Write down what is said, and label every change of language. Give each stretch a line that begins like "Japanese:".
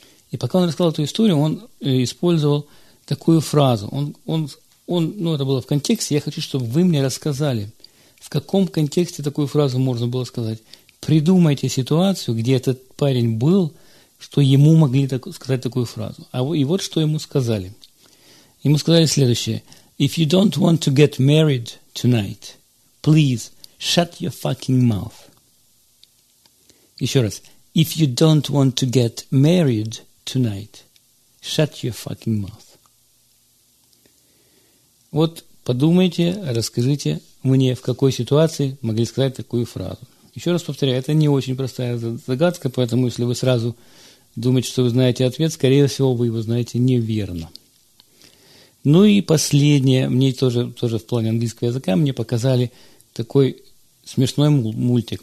Russian: И пока он рассказал эту историю, он использовал такую фразу. Ну, это было в контексте, я хочу, чтобы вы мне рассказали, в каком контексте такую фразу можно было сказать. Придумайте ситуацию, где этот парень был, что ему могли так сказать такую фразу. И вот что ему сказали. Ему сказали следующее.
English: If you don't want to get married tonight, please shut your fucking mouth.
Russian: Еще раз.
English: If you don't want to get married tonight, shut your fucking mouth.
Russian: Вот подумайте, расскажите мне, в какой ситуации могли сказать такую фразу. Еще раз повторяю, это не очень простая загадка, поэтому если вы сразу думаете, что вы знаете ответ, скорее всего, вы его знаете неверно. Ну и последнее, мне тоже в плане английского языка, мне показали такой смешной мультик.